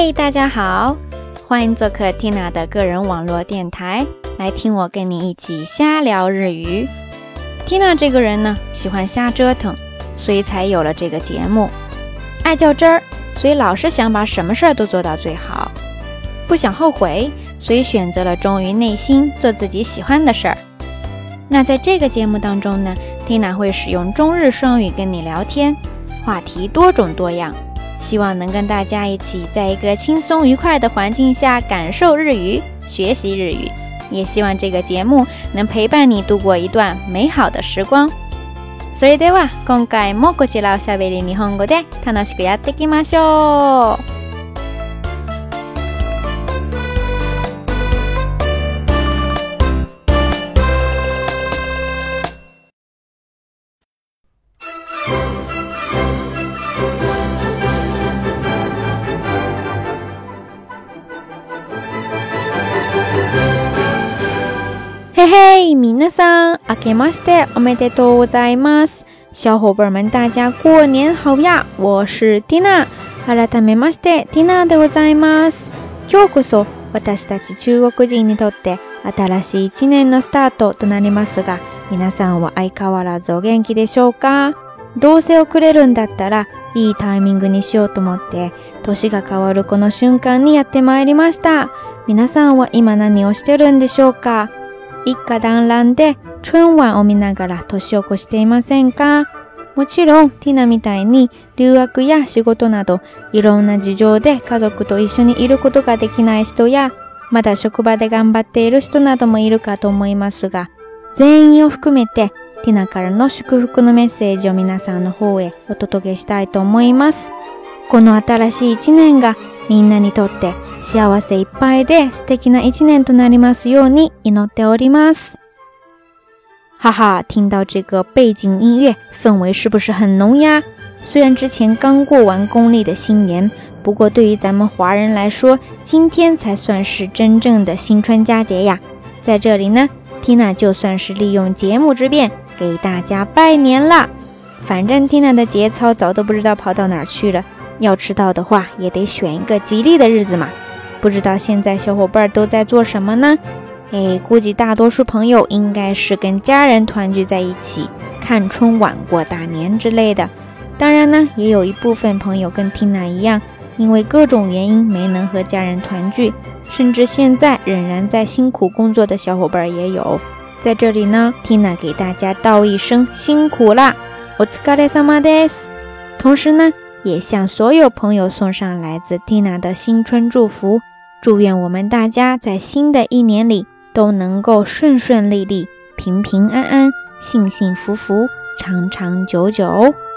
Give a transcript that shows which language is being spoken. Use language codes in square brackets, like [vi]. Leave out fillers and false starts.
[zh] 家好，欢迎做客 Tina 的个人网络电台，来听我跟你一起瞎聊日语。 Tina 这个人呢，喜欢瞎折腾，所以才有了这个节目。爱较真儿，所以老是想把什么事儿都做到最好，不想后悔，所以选择了忠于内心，做自己喜欢的事儿。那在这个节目当中呢， Tina 会使用中日双语跟你聊天，话题多种多样，希望能跟大家一起在一个轻松愉快的环境下感受日语，学习日语，也希望这个节目能陪伴你度过一段美好的时光。 [ja] それでは今回もこちらをしゃべり日本語で楽しくやっていきましょう。嘿嘿，皆さん、明けましておめでとうございます。 [zh] 小伙伴们，大家过年好呀！我是 Tina。 [ja] 改めまして、Tina でございます。今日こそ、私たち中国人にとって新しい一年のスタートとなりますが、皆さんは相変わらずお元気でしょうか？どうせ遅れるんだったら、いいタイミングにしようと思って、年が変わるこの瞬間にやってまいりました。皆さんは今何をしてるんでしょうか？一家団らんで春晚を見ながら年を越していませんか？もちろんティナみたいに留学や仕事などいろんな事情で家族と一緒にいることができない人やまだ職場で頑張っている人などもいるかと思いますが、全員を含めてティナからの祝福のメッセージを皆さんの方へお届けしたいと思います。この新しい一年がみんなにとって幸せいっぱいで素敵な一年となりますように祈っております。 [zh] 哈哈，听到这个背景音乐，氛围是不是很浓呀？虽然之前刚过完公历的新年，不过对于咱们华人来说，今天才算是真正的新春佳节呀。在这里呢， Tina 就算是利用节目之便给大家拜年了。反正 Tina 的节操早都不知道跑到哪儿去了。要迟到的话也得选一个吉利的日子嘛。不知道现在小伙伴都在做什么呢？哎，估计大多数朋友应该是跟家人团聚在一起看春晚过大年之类的。当然呢，也有一部分朋友跟 Tina 一样，因为各种原因没能和家人团聚，甚至现在仍然在辛苦工作的小伙伴也有。在这里呢， Tina 给大家道一声辛苦啦， [ja] お疲れ様です。 [zh] 同时呢，也向所有朋友送上来自 Tina 的新春祝福，祝愿我们大家在新的一年里都能够顺顺利利、平平安安、幸幸福福、长长久久。